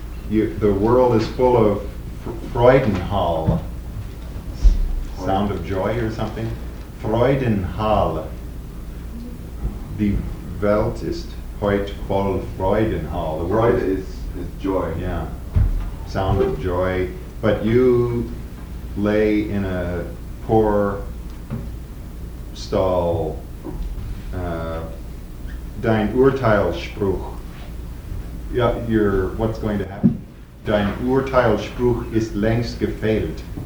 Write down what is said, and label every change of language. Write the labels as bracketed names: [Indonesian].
[English] The world is full of Freudenhall, sound of joy or something. [German] Freudenhall. Die Welt ist heute voll Freudenhall. [English] The world is joy. Yeah. Sound of joy. But you lay in a poor stall. [German] Dein Urteilsspruch. [English] Yeah, your, what's going to happen? [German] Dein Urteilsspruch ist längst gefällt.